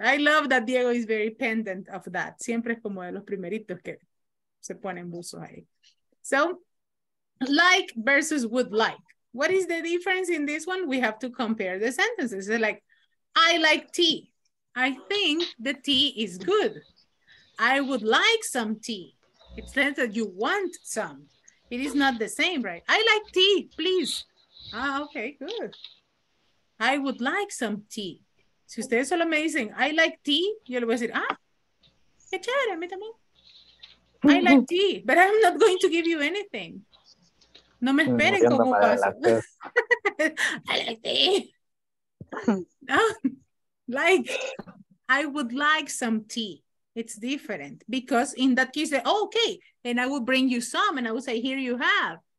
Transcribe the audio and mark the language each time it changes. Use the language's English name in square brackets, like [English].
[English] I love that Diego is very pendant of that. [Spanish] Siempre es como de los primeritos que se ponen buzo ahí. [English] So, like versus would like. What is the difference in this one? We have to compare the sentences. They're like, I like tea. I think the tea is good. I would like some tea. It says that you want some. It is not the same, right? I like tea, please. Ah, okay, good. I would like some tea. [Spanish] Si ustedes solo me dicen, [English] I like tea, [Spanish] yo le voy a decir, ah, qué chévere, me también. [English] I like tea, but I'm not going to give you anything. [Spanish] No me esperen como un paso. [English] I like tea. I would like some tea. It's different because in that case, they, oh, okay, and I will bring you some and I will say, here you have.